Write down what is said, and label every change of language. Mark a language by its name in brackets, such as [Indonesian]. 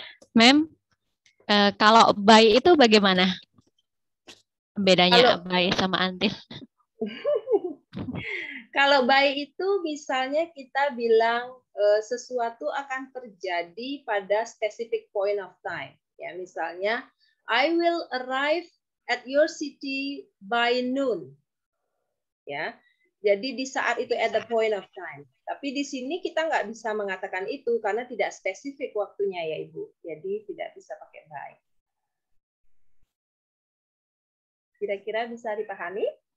[Indonesian] Mem, kalau by itu bagaimana bedanya by sama until? Kalau by itu misalnya kita bilang sesuatu akan terjadi pada [English] specific point of time. [Indonesian] Ya, misalnya [English] I will arrive at your city by noon. [Indonesian] Ya. Jadi di saat itu [English] at the point of time. [Indonesian] Tapi di sini kita nggak bisa mengatakan itu karena tidak spesifik waktunya ya Ibu. Jadi tidak bisa pakai by. Kira-kira bisa dipahami?